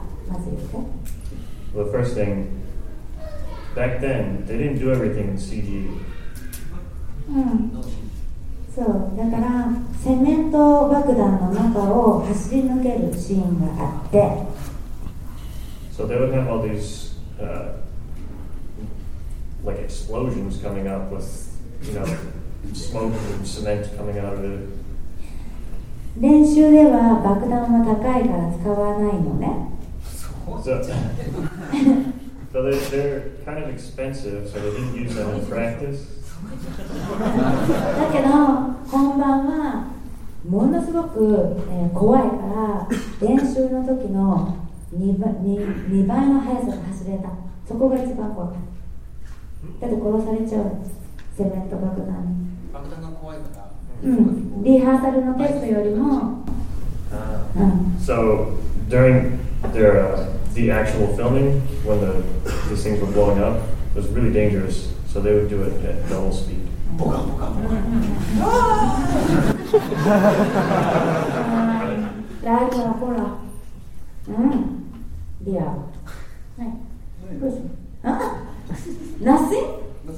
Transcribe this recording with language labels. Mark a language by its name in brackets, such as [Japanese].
[English] Well, the first thing, back then, they didn't do everything in CG. [Japanese] So, だからセメント爆弾の中を走り抜けるシーンがあって。 [English] So they would have all these, like explosions coming up with, you know, smoke and cement coming out of it. [Japanese] 練習では爆弾は高いから使わないのね。 [English] So they're kind of expensive, so they didn't use them in practice. [Japanese] だけど本番はものすごく、怖いから練習の時の 2倍の速さで走れた。そこが一番怖かった。だって殺されちゃう、セメント爆弾。爆弾が怖いから、リハーサルのテストよりも。 [English] So during their, the actual filming, when these things were blowing up, it was really dangerous, so they would do it at double speed. Boka, boka, boka. Dai, hola, hola. Yeah. Nothing?